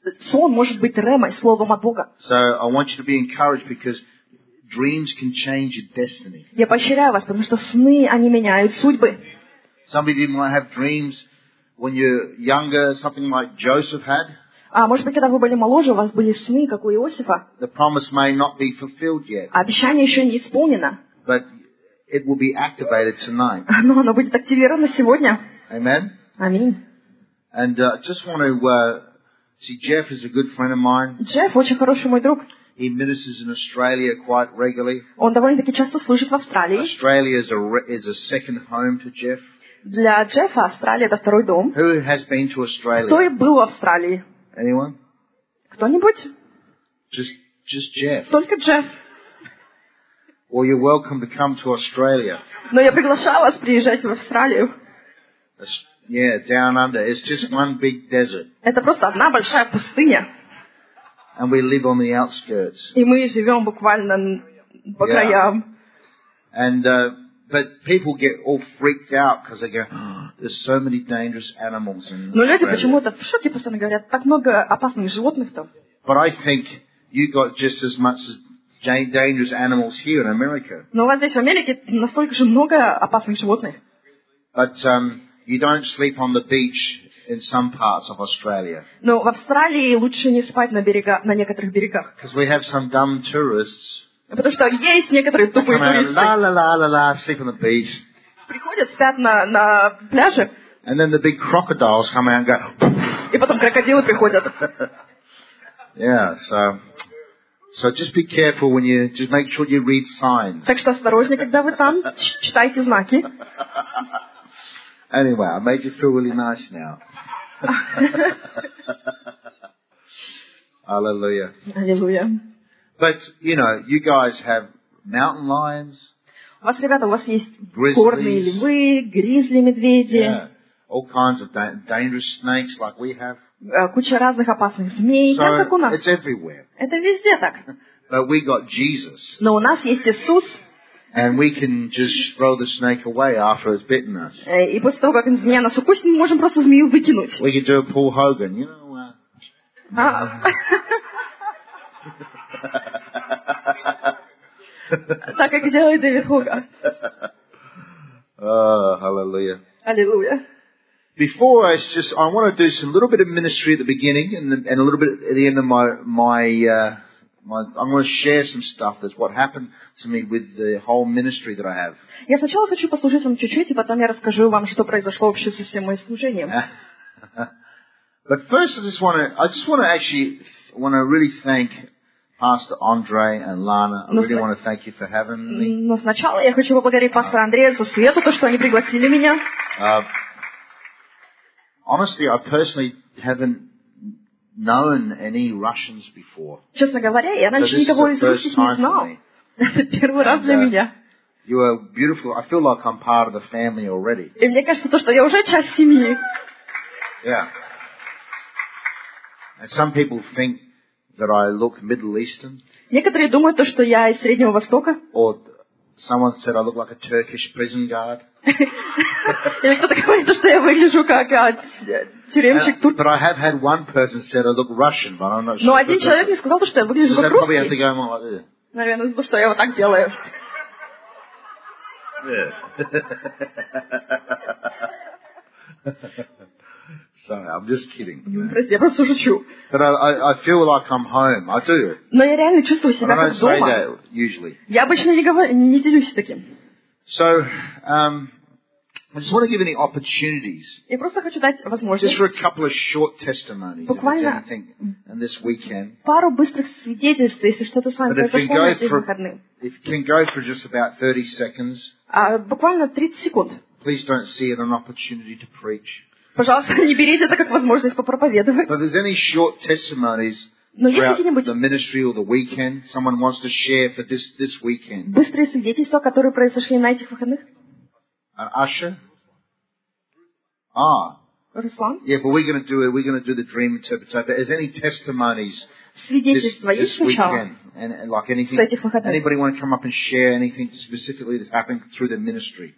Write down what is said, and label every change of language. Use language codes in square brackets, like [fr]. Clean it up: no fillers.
[ru] Сон может быть ремой, словом от Бога. [en] So I want you to be encouraged because dreams can change your destiny. [ru] Я поощряю вас, потому что сны, они меняют судьбы. [en] Some of you might have dreams when you're younger, something like Joseph had. [ru] А может быть, когда вы были моложе, у вас были сны, как у Иосифа. [en] The promise may not be fulfilled yet. [ru] Обещание еще не исполнено. [en] But it will be activated tonight. [ru] Но оно будет активировано сегодня. [en] Amen. [ru] Аминь. [en] And just want to see, Jeff is a good friend of mine. [ru] Джефф очень хороший мой друг. [en] He ministers in Australia quite regularly. [ru] Он довольно-таки часто служит в Австралии. [en] Australia is a second home to Jeff. [ru] Для Джеффа Австралия это второй дом. [en] Who has been to Australia? [ru] Кто и был в Австралии? [en] Anyone? [ru] Кто-нибудь? [en] Just Jeff. [ru] Только Джефф. [en] Well, you're welcome to come to Australia. [ru] Но я приглашаю вас приезжать в Австралию. [en] Yeah, down under. It's just one big desert. [ru] Это просто одна большая пустыня. [en] And we live on the outskirts. [ru] И мы живем буквально по краям. [en] But people get all freaked out because they go, oh, there's so many dangerous animals in Australia. [ru] Но люди почему-то в шоке постоянно говорят, так много опасных животных там. [en] But I think you got just as much as dangerous animals here in America. [ru] Но у вас здесь в Америке настолько же много опасных животных. [en] But you don't sleep on the beach in some parts of Australia. [ru] Но в Австралии лучше не спать на берегах, на некоторых берегах. [en] Because we have some dumb tourists. [ru] Потому что есть некоторые тупые туристы. Приходят, спят на пляже. [en] And then the big crocodiles come out and go. [ru] И потом крокодилы приходят. [en] Yeah, so just be careful when you just make sure you read signs. [ru] Так что осторожнее, когда вы там, читайте знаки. [en] Anyway, I made you feel really nice now. Hallelujah. Hallelujah. But you know, you guys have mountain lions. [ru] У вас, ребята, у вас есть горные львы, гризли, медведи. [en] Yeah, all kinds of dangerous snakes like we have. [ru] Куча разных опасных змей, [en] so [ru] как у нас. [en] It's everywhere. [ru] Это везде так. [en] But we got Jesus. [ru] Но у нас есть Иисус. [en] And we can just throw the snake away after it's bitten us. [ru] И после того, как змея нас укусит, мы можем просто змею выкинуть. [en] We can do a Paul Hogan, you know. [ru] Так как делает Дэвид Хоган. [en] Hallelujah. Hallelujah. Before I want to do some little bit of ministry at the beginning and a little bit at the end of my I'm going to share some stuff that's what happened to me with the whole ministry that I have. [ru] Я сначала хочу послужить вам чуть-чуть, и потом я расскажу вам, что произошло вообще со всем моим служением. [en] But first, I just want to really thank Pastor Andre and Lana. I really want to thank you for having me. [ru] Но сначала я хочу поблагодарить пастора Андрея за Свету, то, что они пригласили меня. [en] Honestly, I personally haven't known any Russians before. [ru] Честно говоря, я раньше никого из русских не знал. Это первый раз для меня. [en] You are beautiful. I feel like I'm part of the family already. [ru] И мне кажется, то, что я уже часть семьи. [en] Yeah. And some people think that I look Middle Eastern. [ru] Некоторые думают, что я из Среднего Востока. [en] Or someone said I look like a Turkish prison guard. [ru] Или кто-то говорит, что я выгляжу как тюремщик турк. [en] But I have had one person said I look Russian, but I'm not sure. [ru] Но один человек мне сказал, что я выгляжу как русский. [en] Probably have to go more like this. [ru] Наверное, потому что я вот так делаю. [en] Yeah. Sorry, I'm just kidding. [ru] Я просто шучу. [en] But I feel like I'm home. I do. [ru] Но я реально чувствую себя как дома. [en] I don't say that usually. [ru] Я обычно не делюсь таким. [en] So, I just want to give any opportunities. [ru] Я просто хочу дать возможность. [en] Just for a couple of short testimonies. [ru] Буквально. [en] And this weekend. [ru] Пару быстрых свидетельств, если что-то с вами произошло на этих выходных. [en] If you can go for just about 30 seconds. [ru] Буквально 30 секунд. [en] Please don't see it an opportunity to preach. [ru] Пожалуйста, не берите это как возможность попроповедовать. [en] But if there's any short testimonies throughout the ministry or the weekend, someone wants to share for this weekend. [ru] Быстрые свидетельства, которые произошли на этих выходных. [en] Usher. [ru] Руслан. [en] Yeah, but we're going to do it. We're going to do the dream interpretation. But is there any testimonies this weekend? And like anything, anybody want to come up and share anything specifically that happened through the ministry?